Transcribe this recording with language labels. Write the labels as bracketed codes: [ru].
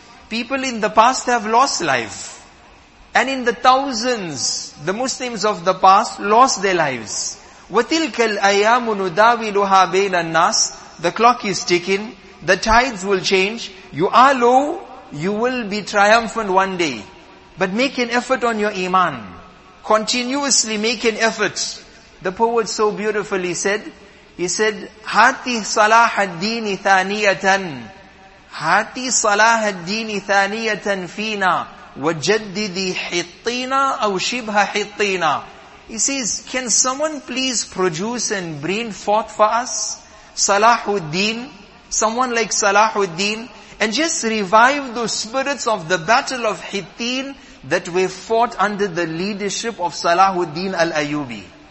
[en] People in the past have lost life. And in the thousands, the Muslims of the past lost their lives. [ar] وَتِلْكَ الْأَيَّامُ نُدَاوِلُهَا بَيْنَ النَّاسِ. [en] The clock is ticking, the tides will change. You are low, you will be triumphant one day. But make an effort on your iman. Continuously make an effort. The poet so beautifully said, he said, [ar] Hati صلاح الدين ثانية Hati صلاح الدين ثانية فينا وجددي حطينا أو شبه حطينا. [en] He says, can someone please produce and bring forth for us صلاح الدين, someone like صلاح الدين, and just revive those spirits of the battle of Hittin that were fought under the leadership of Salahuddin al-Ayyubi.